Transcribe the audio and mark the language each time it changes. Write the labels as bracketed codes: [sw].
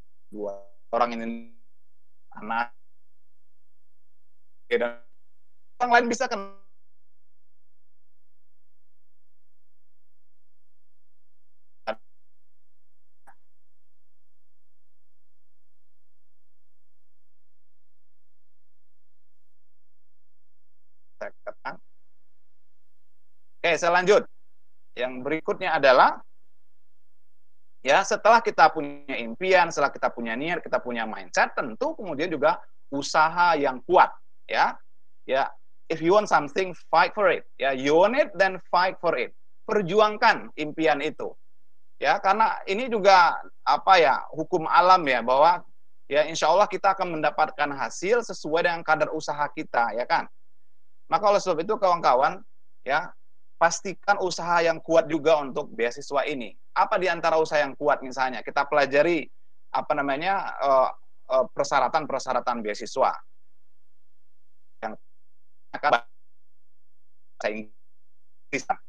[id] dua orang ini anak dan orang lain bisa kan Oke, saya lanjut. Yang berikutnya adalah, ya setelah kita punya impian, setelah kita punya niat, kita punya mindset, tentu kemudian juga usaha yang kuat, ya. [en] Ya, if you want something, fight for it. Ya, you want it, then fight for it. [id] Perjuangkan impian itu. Ya, karena ini juga apa ya, hukum alam ya, bahwa ya insya Allah kita akan mendapatkan hasil sesuai dengan kadar usaha kita, ya kan? Maka oleh sebab itu kawan-kawan, ya pastikan usaha yang kuat juga untuk beasiswa ini. Apa di antara usaha yang kuat misalnya? Kita pelajari apa namanya persyaratan-persyaratan beasiswa yang akan bahasa Inggris.